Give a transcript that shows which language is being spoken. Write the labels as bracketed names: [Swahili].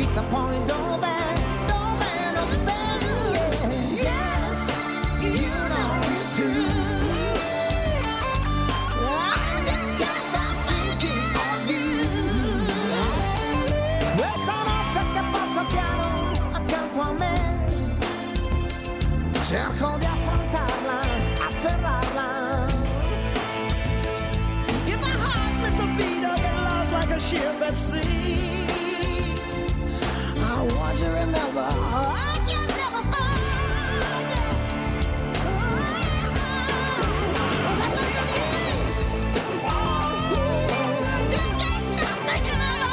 [Italian] Poi dov'è, dov'è la pelle? [English] Yes, you know it's true. I just can't stop thinking of you. [Italian] Questa notte che passa piano accanto a me, cerco di affrontarla, afferrarla. [English] If my heart missed a beat, I'll get lost like a ship at sea. To remember, I can never find it. Oh, oh, oh, oh, oh, oh, oh, I just can't stop thinking of us.